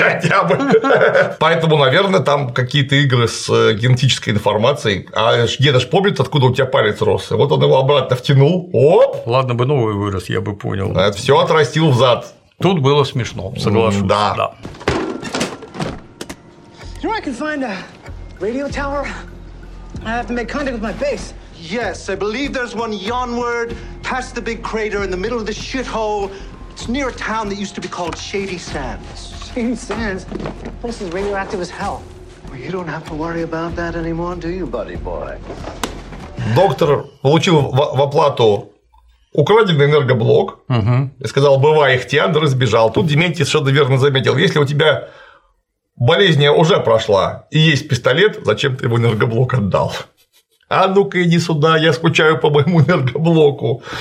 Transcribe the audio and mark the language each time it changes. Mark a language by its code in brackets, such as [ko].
[ru] Хотя бы. Поэтому, наверное, там какие-то игры с генетической информацией. А деда ж помнит, откуда у тебя палец рос? Вот он его обратно втянул. Оп. Ладно бы новый вырос, я бы понял. Это все отрастил взад. Тут было смешно, соглашусь. Да. Да. [en] You know I can find a radio tower? I have to make contact with my base. Yes, I believe there's one yonward, past the big crater in the middle of the shithole. It's near a town that used to be called Shady Sands. Shady Sands? This is radioactive as hell. We You don't have to worry about that anymore, do you, buddy boy? [ru] Доктор получил в оплату украденный энергоблок и сказал, бывай, Ихтиандр, и сбежал. Тут Дементий совершенно верно заметил, если у тебя болезнь уже прошла и есть пистолет, зачем ты его энергоблок отдал? А ну-ка иди сюда, я скучаю по моему энергоблоку.